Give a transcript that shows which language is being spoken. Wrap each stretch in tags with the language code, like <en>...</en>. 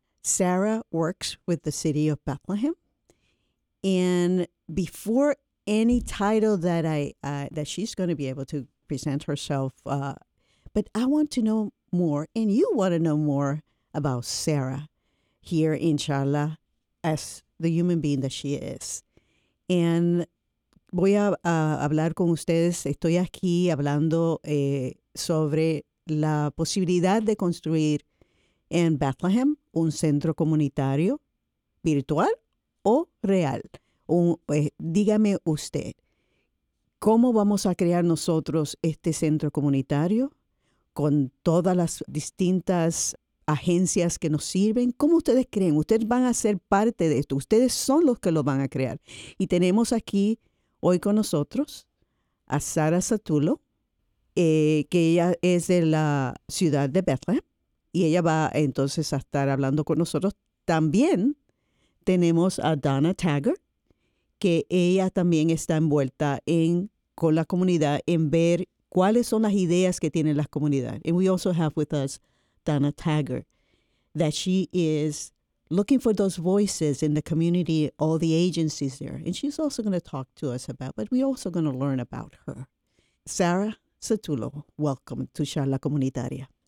<en>Sara works with the City of Bethlehem. And before any title that that she's going to be able to present herself, but I want to know more, and you want to know more about Sara here in Charla as the human being that she is.</en> <es>And voy a hablar con ustedes. Estoy aquí hablando sobre la posibilidad de construir en Bethlehem un centro comunitario virtual o real. Dígame usted, ¿cómo vamos a crear nosotros este centro comunitario con todas las distintas agencias que nos sirven? ¿Cómo ustedes creen? Ustedes van a ser parte de esto. Ustedes son los que lo van a crear. Y tenemos aquí hoy con nosotros a Sara Satullo, que ella es de la ciudad de Bethlehem. Y ella va entonces a estar hablando con nosotros. También tenemos a Donna Taggart, que ella también está envuelta con la comunidad, en ver cuáles son las ideas que tiene la comunidad.</es> <en>And we also have with us Donna Taggart, that she is looking for those voices in the community, all the agencies there. And she's also going to talk to us about, but we're also going to learn about her. Sara Satullo, welcome to Charla Comunitaria.</en>